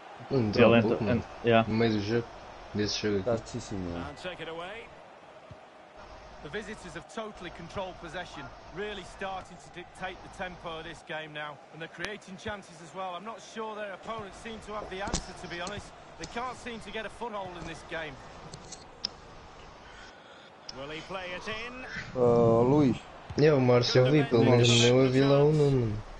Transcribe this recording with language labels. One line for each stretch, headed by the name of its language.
Portuguese: Entrou um pouco, mano, no meio do jogo, desse jogo aqui. Está sim, mano.
English: The visitors have totally controlled possession, really starting to dictate the tempo of this game now, and they're creating chances as well. I'm not sure their opponents seem to have the answer, to be honest. They can't seem to get a foothold in this game. Will he play it in? Luís.
Portuguese: É o Márcio Vip, pelo menos no meu Vila Uno.